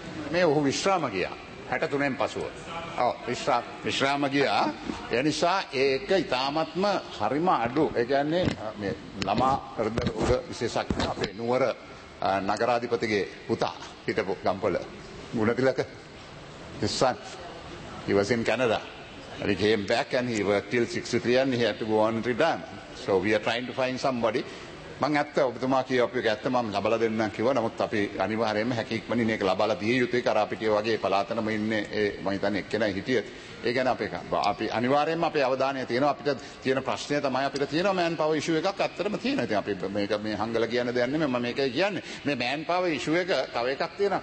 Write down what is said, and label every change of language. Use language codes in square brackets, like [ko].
[si] මේ ඔහු විශ්‍රාම ගියා. 63 පසුව. ඔව් විශ්‍රාම ගියා. ඒ නිසා ඒක ඉතාමත්ම හරිම අඩු. ඒ කියන්නේ මේ ළමා හෘද රෝග විශේෂඥ අපේ නුවර නගරාධිපතිගේ පුතා හිටපු Gampola Gunathilaka ඉස්සන්. [en] He was in Canada. And he came back and he worked till 63 and he had to go on retirement. So we are trying to find somebody. [si] මං ඇත්ත ඔබතුමා කියපු එක ඇත්ත මම ලබලා දෙන්නම් කිව්වා. නමුත් අපි අනිවාර්යයෙන්ම හැකියක්මනින් මේක ලබලා දිය යුතුයි. කරාපිටිය වගේ පළාතනම ඉන්නේ ඒ මං හිතන්නේ එක්කෙනයි හිටියෙත්. ඒ ගැන අපේ අපි අනිවාර්යයෙන්ම අපේ අවධානය තියෙනවා. අපිට තියෙන ප්‍රශ්නේ තමයි අපිට තියෙන මෑන් පවර් ඉෂුව එකක් ඇත්තටම තියෙනවා. ඉතින් අපි මේක මේ හංගල කියන දෙයක් නෙමෙයි මම මේකයි කියන්නේ. මේ මෑන් පවර් ඉෂුව එක තව එකක් තියෙනවා.